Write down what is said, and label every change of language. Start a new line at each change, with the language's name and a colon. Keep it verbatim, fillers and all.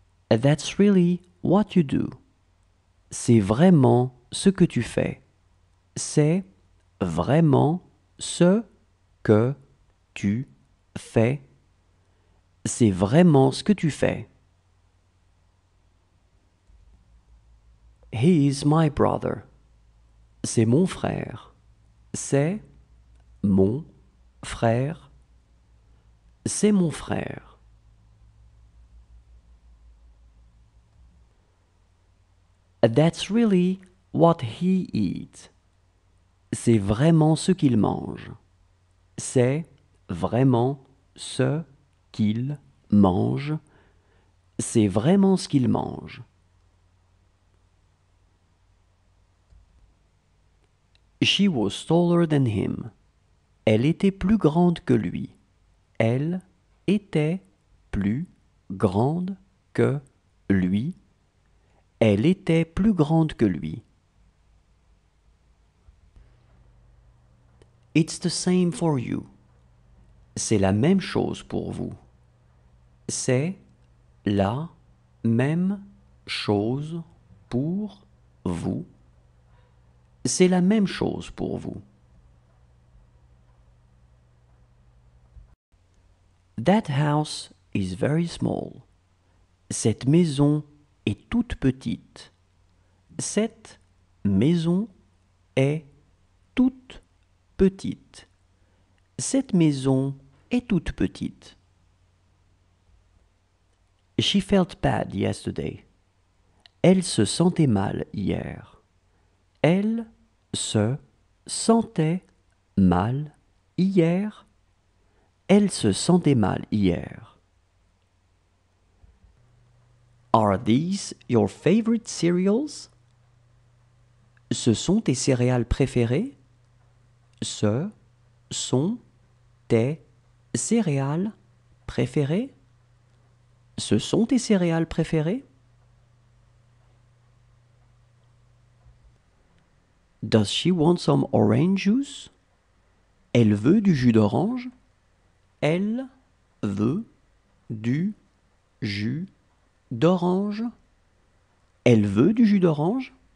English: That's really what you do.
French: C'est vraiment ce que tu fais. C'est vraiment ce que tu fais. C'est vraiment ce que tu fais.
English: He is my brother.
French: C'est mon frère. C'est mon frère. C'est mon frère.
English: That's really what he eats.
French: C'est vraiment ce qu'il mange. C'est vraiment ce qu'il mange. C'est vraiment ce qu'il mange.
English: She was taller than him.
French: Elle était plus grande que lui. Elle était plus grande que lui. Elle était plus grande que lui.
English: It's the same for you.
French: C'est la même chose pour vous. C'est la même chose pour vous. C'est la même chose pour vous.
English: That house is very small.
French: Cette maison est toute petite. Cette maison est toute petite. Cette maison est toute petite.
English: She felt bad yesterday.
French: Elle se sentait mal hier. Elle se sentait mal hier. Elle se sentait mal hier.
English: Are these your favorite cereals?
French: Ce sont tes céréales préférées? Ce sont tes céréales préférées? Ce sont tes céréales préférées?
English: Does she want some orange juice?
French: Elle veut du jus d'orange? Elle veut du jus d'orange? Elle veut du jus d'orange?